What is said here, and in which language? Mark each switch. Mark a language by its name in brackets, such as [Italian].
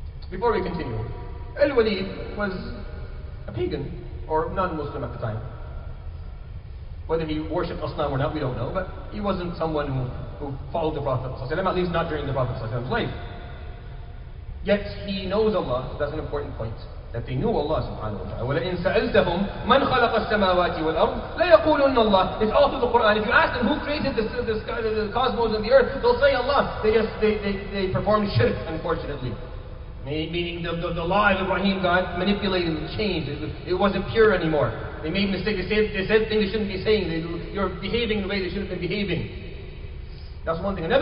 [English] Before we continue, Al-Walid was a pagan or non-Muslim at the time. Whether he worshipped Aslam or not, we don't know, but he wasn't someone who followed the Prophet, at least not during the Prophet's life. Yet he knows Allah, so that's an important point, that they knew Allah subhanahu wa ta'ala. [Arabic] وَلَئِنْ سَأَلْتَهُمْ مَنْ خَلَقَ السَّمَاوَاتِ وَالْأَرْضِ لَيَقُولُنَّ اللَّهِ [English] It's all through the Quran. If you ask them who created the cosmos and the earth, they'll say Allah. They performed shirk, unfortunately. Meaning the law of Ibrahim got manipulated and changed. It wasn't pure anymore. They made mistakes. They said things they shouldn't be saying. You're behaving the way they should have been behaving. That's one thing.